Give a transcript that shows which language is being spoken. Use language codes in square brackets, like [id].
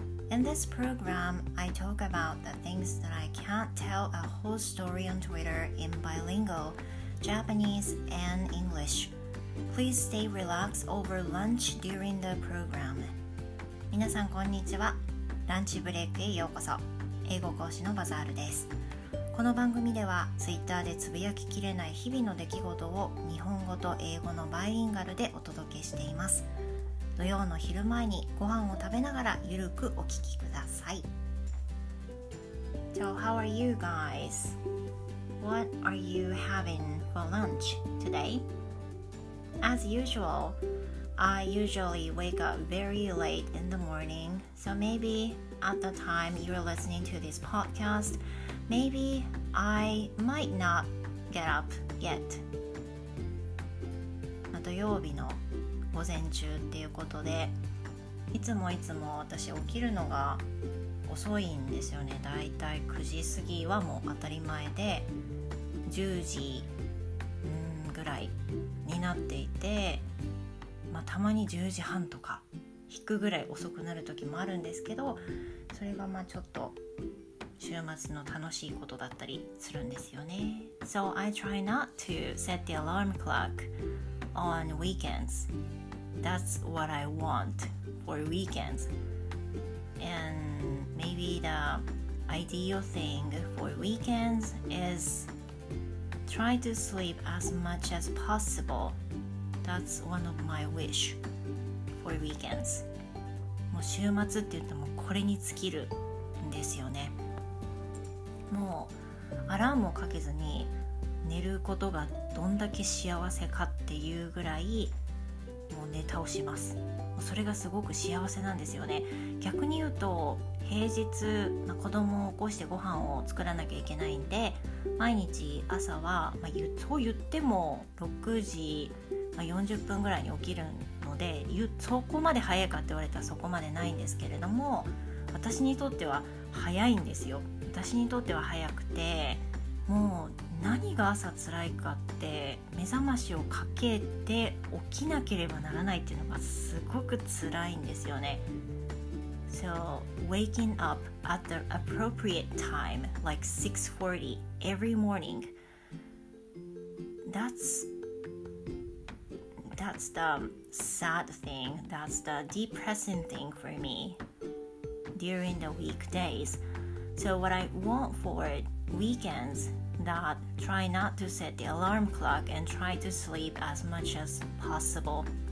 [en] In this program, I talk about the things that I can't tell a whole story on Twitter in bilingual, Japanese, and English. Please stay relaxed over lunch during the program. [ja] 皆さんこんにちは。ランチブレイクへようこそ。英語講師のバザールです。この番組では、Twitter でつぶやききれない日々の出来事を日本語と英語のバイリンガルでお届けしています。土曜の昼前にご飯を食べながらゆるくお聞きください。 [en] So how are you guys? What are you having for lunch today? As usual, I usually wake up very late in the morning, so maybe at the time you're listening to this podcast,Maybe I might not get up yet. [ja] 土曜日の午前中っていうことで、いつも私起きるのが遅いんですよね。だいたい9時過ぎはもう当たり前で、10時ぐらいになっていて、まあたまに10時半とか引くぐらい遅くなる時もあるんですけど、それがまあちょっと週末の楽しいことだったりするんですよね。 [en] So I try not to set the alarm clock on weekends. That's what I want for weekends. And maybe the ideal thing for weekends is try to sleep as much as possible. That's one of my wish for weekends. [ja] もう週末って言ってもこれに尽きるんですよね。もうアラームをかけずに寝ることがどんだけ幸せかっていうぐらいもう寝倒します。それがすごく幸せなんですよね。逆に言うと平日、まあ、子供を起こしてご飯を作らなきゃいけないんで、毎日朝は、まあ、そう言っても6時40分ぐらいに起きるので、そこまで早いかって言われたらそこまでないんですけれども、私にとっては早いんですよ。私にとっては早くて、もう何が朝辛いかって目覚ましをかけて起きなければならないっていうのがすごく辛いんですよね。 [en] So waking up at the appropriate time like 6:40 every morning, that's the sad thing, that's the depressing thing for me during the weekdaysSo what I want for weekends, that try not to set the alarm clock and try to sleep as much as possible.